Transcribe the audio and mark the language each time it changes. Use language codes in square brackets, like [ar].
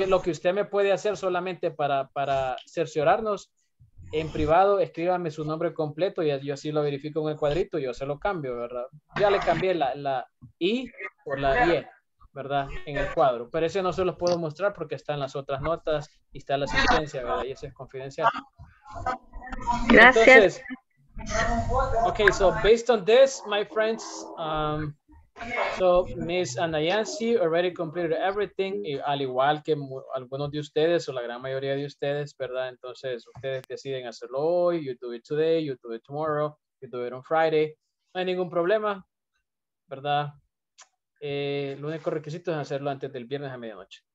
[es] Lo que usted me puede hacer solamente para cerciorarnos, en privado, escríbame su nombre completo y yo así lo verifico en el cuadrito y yo se lo cambio, ¿verdad? Ya le cambié la I por la IE, ¿verdad? En el cuadro. Pero ese no se los puedo mostrar porque están las otras notas y está la asistencia, ¿verdad? Y ese es confidencial. Gracias. [en] Okay, so based on this, my friends, so Ms. [es] Anayansi [en] already completed everything, [es] y al igual que algunos de ustedes o la gran mayoría de ustedes, ¿verdad? Entonces, ustedes deciden hacerlo hoy, [en] you do it today, you do it tomorrow, you do it on Friday. [es] No hay ningún problema, ¿verdad? El único requisito es hacerlo antes del viernes a medianoche.